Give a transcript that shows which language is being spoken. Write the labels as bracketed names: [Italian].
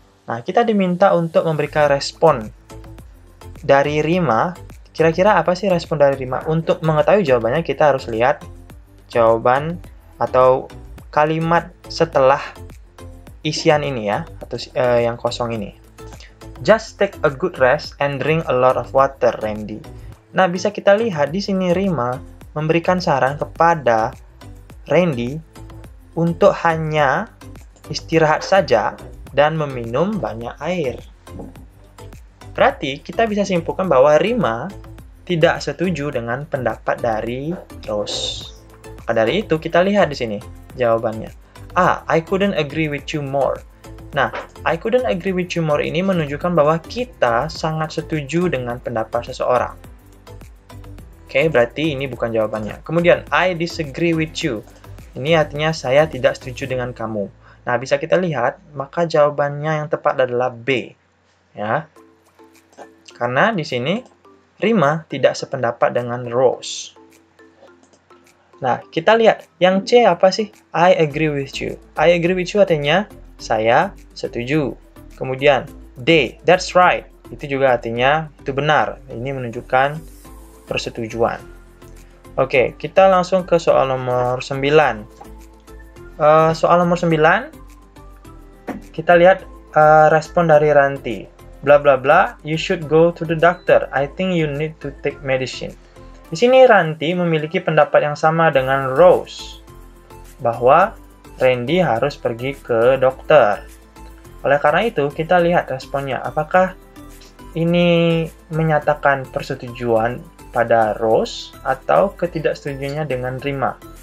[Indonesian] Nah, kita diminta untuk memberikan respon dari Rima. Kira-kira apa sih respon dari Rima? Untuk mengetahui jawabannya, kita harus lihat jawaban atau kalimat setelah isian ini ya, atau yang kosong ini. [English] Just take a good rest and drink a lot of water, Randy. [Indonesian] Nah, bisa kita lihat di sini Rima memberikan saran kepada Randy untuk hanya istirahat saja dan meminum banyak air. Berarti kita bisa simpulkan bahwa Rima tidak setuju dengan pendapat dari Rose. Maka dari itu kita lihat di sini jawabannya. A. [English] I couldn't agree with you more. [Indonesian] Nah, [English] I couldn't agree with you more [Indonesian] ini menunjukkan bahwa kita sangat setuju dengan pendapat seseorang. Oke, berarti ini bukan jawabannya. [English] Kemudian, I disagree with you. [Indonesian] Ini artinya saya tidak setuju dengan kamu. Nah, bisa kita lihat, maka jawabannya yang tepat adalah B. Ya. Karena di sini, Rima tidak sependapat dengan Rose. Nah, kita lihat. Yang C apa sih? [English] I agree with you. I agree with you [Indonesian] artinya saya setuju. [English] Kemudian, D. That's right. [Indonesian] Itu juga artinya itu benar. Ini menunjukkan persetujuan. Oke, kita langsung ke soal nomor 9. Soal nomor 9, kita lihat respon dari Ranti. [English] Blah, blah, blah, you should go to the doctor. I think you need to take medicine. [Indonesian] Di sini Ranti memiliki pendapat yang sama dengan Rose, bahwa Randy harus pergi ke dokter. Oleh karena itu, kita lihat responnya. Apakah ini menyatakan persetujuan pada Rose atau ketidaksetujuannya dengan Rima?